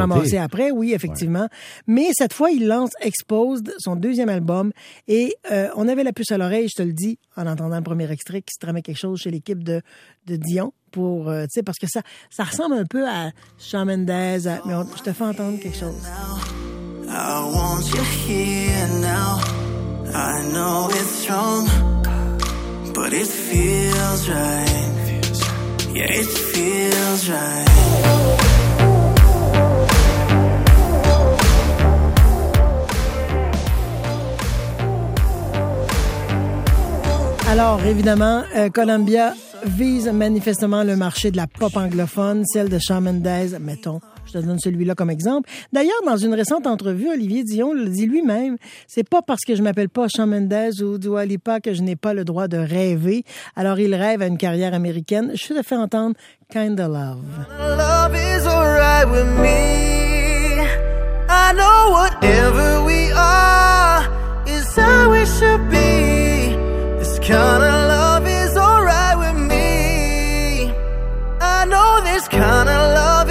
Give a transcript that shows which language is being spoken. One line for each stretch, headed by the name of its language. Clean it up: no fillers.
French: Ramassé après, oui, effectivement. Ouais. Mais cette fois, il lance Exposed, son deuxième album. Et on avait la puce à l'oreille, je te le dis, en entendant le premier extrait, qui se tramait quelque chose chez l'équipe de Dion. Pour, tu sais, parce que ça ressemble un peu à Shawn Mendes. Mais je te fais entendre quelque chose.
English: I want you here now. I know it's wrong, but it feels right. Yeah, it feels right.
French: Alors, évidemment, Columbia vise manifestement le marché de la pop anglophone, celle de Shawn Mendes, mettons. Je te donne celui-là comme exemple. D'ailleurs, dans une récente entrevue, Olivier Dion le dit lui-même, c'est pas parce que je m'appelle pas Shawn Mendes ou Dua Lipa que je n'ai pas le droit de rêver. Alors, il rêve à une carrière américaine. Je te fais entendre Kind of Love.
English: Love is alright with me. I know whatever we are is how we should be. This kind of love is alright with me. I know this kind of love.